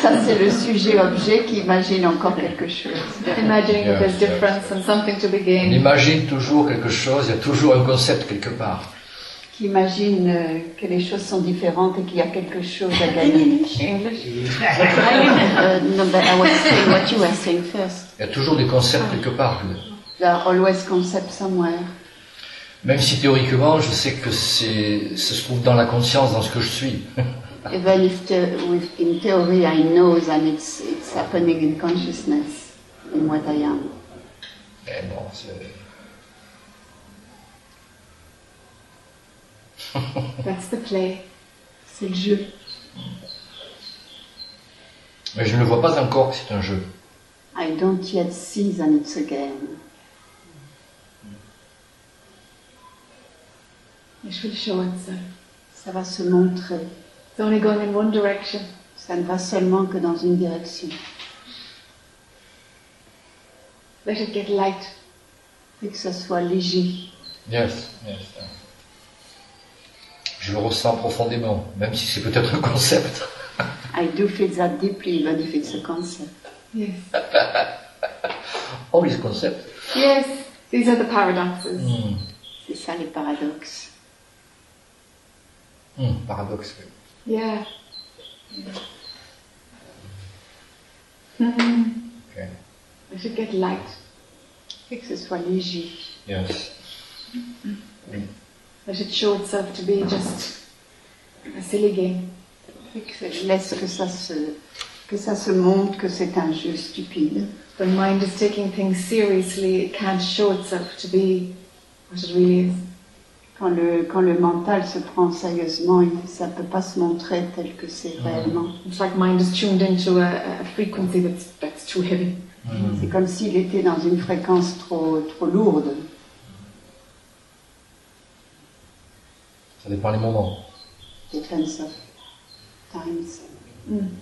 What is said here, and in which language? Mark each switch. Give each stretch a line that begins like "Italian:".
French: Ça c'est le sujet-objet qui imagine encore quelque chose.
English: Imagining that there's difference and something to be gained.
French: On imagine toujours quelque chose. Il y a toujours un concept quelque part. Qui imagine que les choses sont différentes et qu'il y a quelque chose à gagner.
English: English. No, but I was saying what you were saying first.
French: Il y a toujours des concepts quelque part.
English: There are always concepts somewhere.
French: Même si théoriquement, je sais que ça se trouve dans la conscience, dans ce que je suis.
English: Even if in theory I know that it's happening in consciousness, in what I am.
French: Mais bon, c'est...
English: That's the play.
French: C'est le jeu. Mais je ne le vois pas encore que c'est un jeu.
English: I don't yet see that it's a game. It will show itself.
French: Ça va se montrer.
English: It's only going in one direction.
French: Ça ne va seulement que dans une direction.
English: Let it get light.
French: Et que ça soit léger.
English: Yes.
French: Je le ressens profondément, même si c'est peut-être un concept.
English: I do feel that deeply, even if it's a concept. Yes. Always a concept. Yes, these are the paradoxes. Mm.
French: C'est ça les paradoxes. Paradoxe.
English: Yeah. Okay. We should get light.
French: Fait que ce soit léger.
English: Yes. We should show itself to be just a silly game.
French: Fait que je laisse que ça se montre que c'est un jeu stupide.
English: The mind is taking things seriously, it can't show itself to be what it really is.
French: Quand le mental se prend sérieusement, ça ne peut pas se montrer tel que c'est réellement.
English: It's like mind is tuned into a frequency that's too heavy. Mm-hmm.
French: C'est comme s'il était dans une fréquence trop lourde. Ça dépend des moments.
English: Depends of times. Mm.